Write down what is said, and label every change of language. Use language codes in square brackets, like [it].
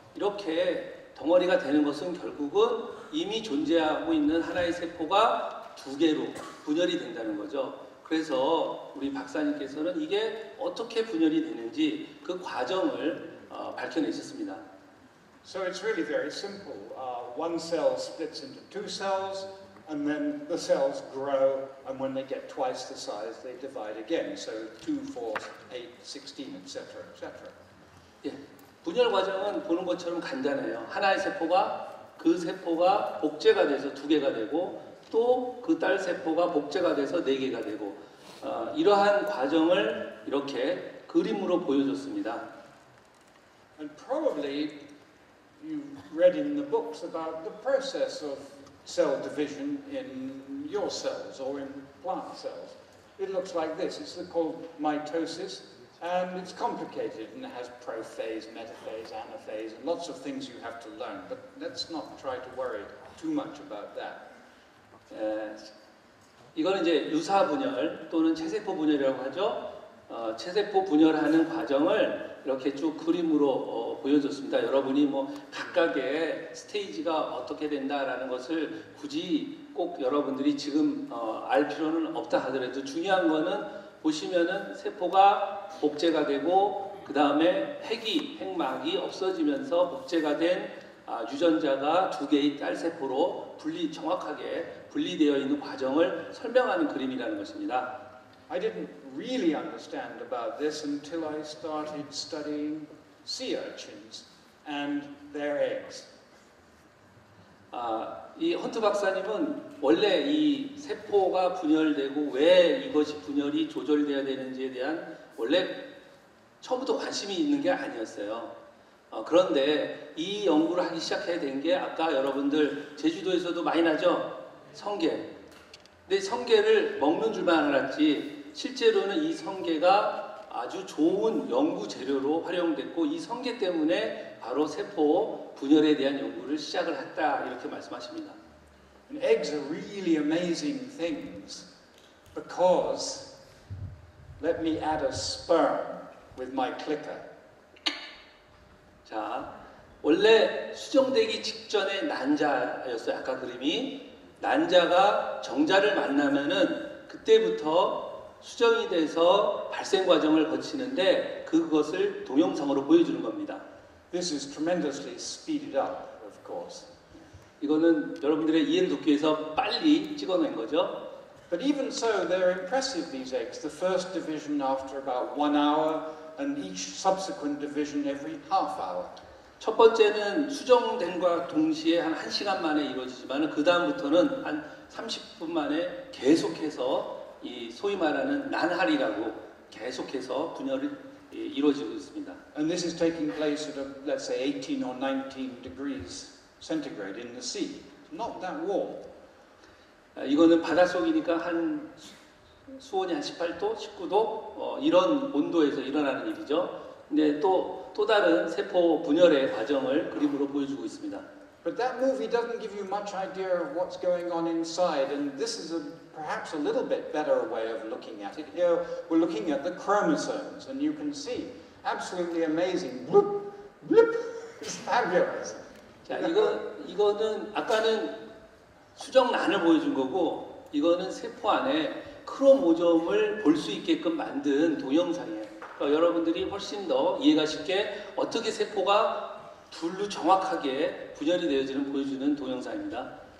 [ko] 이렇게 덩어리가 되는 것은 결국은 이미 존재하고 있는 하나의 세포가 두 개로 분열이 된다는 거죠. 그래서 우리 박사님께서는 이게 어떻게 분열이 되는지 그 과정을 밝혀내셨습니다. [en] So it's really very simple. One cell splits into two cells, and then the cells grow, and when they get twice the size, they divide again. So 2, 4, 8, 16, etc., etc. [ko] 예, 분열 과정은 보는 것처럼 간단해요. 하나의 세포가 그 세포가 복제가 돼서 두 개가 되고 또 그 딸 세포가 복제가 돼서 네 개가 되고 이러한 과정을 이렇게 그림으로 보여줬습니다. [en] And probably you've read in the books about the process of cell division in your cells or in plant cells. It looks like this. It's called mitosis and it's complicated and it has prophase, metaphase, anaphase and lots of things you have to learn. But let's not try to worry too much about that. [ko] 이거는 이제 유사 분열 또는 체세포 분열이라고 하죠. 체세포 분열하는 과정을 이렇게 쭉 그림으로 보여줬습니다. 여러분이 뭐 각각의 스테이지가 어떻게 된다라는 것을 굳이 꼭 여러분들이 지금 알 필요는 없다 하더라도 중요한 거는 보시면은 세포가 복제가 되고 그 다음에 핵이 핵막이 없어지면서 복제가 된 유전자가 두 개의 딸 세포로 분리 정확하게 분리되어 있는 과정을 설명하는 그림이라는 것입니다. [en] I didn't really understand about this until I started studying sea urchins and their eggs. [ko] 이 헌트 박사님은 원래 이 세포가 분열되고 왜 이것이 분열이 조절되어야 되는지에 대한 원래 처음부터 관심이 있는 게 아니었어요. 그런데 이 연구를 하기 시작해 된 게 아까 여러분들 제주도에서도 많이 나죠? 성게. 근데 성게를 먹는 줄만 알았지 실제로는 이 성게가 아주 좋은 연구 재료로 활용됐고 이 성게 때문에 바로 세포 분열에 대한 연구를 시작을 했다 이렇게 말씀하십니다. [en] And eggs are really amazing things because let me add a sperm with my clicker. [ko] 자, 원래 수정되기 직전에 난자였어요. 아까 그림이 난자가 정자를 만나면은 그때부터 수정이 돼서 발생 과정을 거치는데 그것을 동영상으로 보여주는 겁니다. [en] This is tremendously speeded up, of course. [ko] 이거는 여러분들의 이해를 돕기 위해서 빨리 찍어낸 거죠. [en] But even so, they're impressive. These eggs, the first division after about one hour. And each subsequent division every half hour. [ko] 첫 번째는 수정된과 동시에 한 1시간 만에 이루어지지만 그 다음부터는 한 30분 만에 계속해서 이 소위 말하는 난할이라고 계속해서 분열이 이루어지고 있습니다. [en] And this is taking place at a, let's say 18 or 19 degrees centigrade in the sea. Not that warm. [ko] 이거는 바닷속이니까 한 수온이 한 18도, 19도 이런 온도에서 일어나는 일이죠. 근데 또 다른 세포 분열의 과정을 그림으로 보여주고 있습니다. [en] But that movie doesn't give you much idea of what's going on inside and this is a, perhaps a little bit better way of looking at it. Here we're looking at the chromosomes and you can see absolutely amazing. Bloop, bloop, it's fabulous. [ko] 자, 이거는 아까는 수정란을 보여준 거고, 이거는 세포 안에 크로모종을 볼 수 있게끔 만든 동영상이에요. 그러니까 여러분들이 훨씬 더 이해가 쉽게 어떻게 세포가 둘로 정확하게 분열이 되어지는 보여주는 동영상입니다.